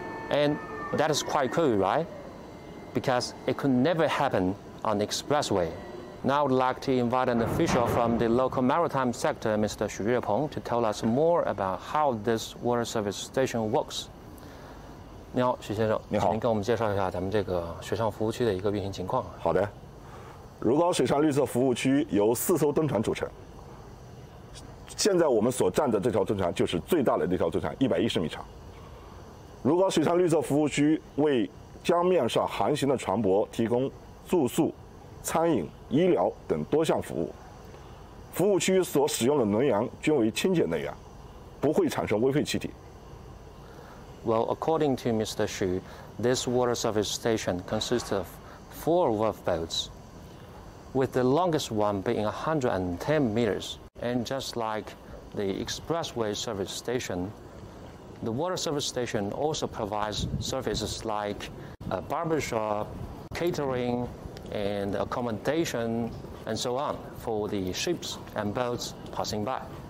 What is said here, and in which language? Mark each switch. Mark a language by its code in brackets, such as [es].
[en] And that is quite cool, right? Because it could never happen on the expressway. Now I'd like to invite an official from the local maritime sector, Mr. Xu Yuepeng, to tell us more about how this water service station works. [zh] 你好，许先生。你好，您给我们介绍一下咱们这个水上服务区的一个运行情况。好的，如皋水上绿色服务区由四艘吨船组成。现在我们所站的这条吨船就是最大的那条吨船，110米长。如皋水上绿色服务区为江面上航行的船舶提供住宿、餐饮、医疗等多项服务。服务区所使用的能源均为清洁能源，不会产生微废气体。 [en] Well, according to Mr. Xu, this water service station consists of four wharf boats, with the longest one being 110 meters. And just like the expressway service station, the water service station also provides services like a barbershop, catering, and accommodation, and so on for the ships and boats passing by.